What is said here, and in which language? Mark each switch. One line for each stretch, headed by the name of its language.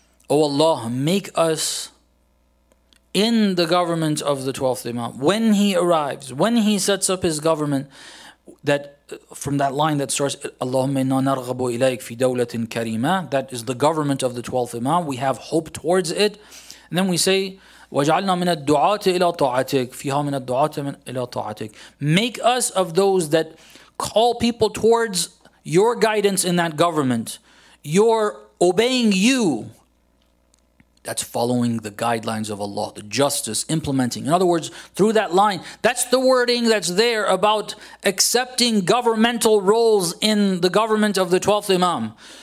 English: O Allah, make us in the government of the 12th Imam. When he arrives, when he sets up his government, that from that line that starts,
Arabic: اللهم إِنَّا نَرْغَبُ إِلَيْكَ فِي دَوْلَةٍ كَرِيمَةٍ,
English: that is the government of the 12th Imam. We have hope towards it. And then we say,
Arabic: وَجَعَلْنَا مِنَ الدُّعَاتِ إِلَىٰ طَاعَتِكَ فِيهَا مِنَ الدُّعَاتِ إِلَىٰ طَاعَتِكَ.
English: Make us of those that call people towards your guidance in that government. You're obeying you. That's following the guidelines of Allah, the justice, implementing. In other words, through that line, that's the wording that's there about accepting governmental roles in the government of the 12th Imam.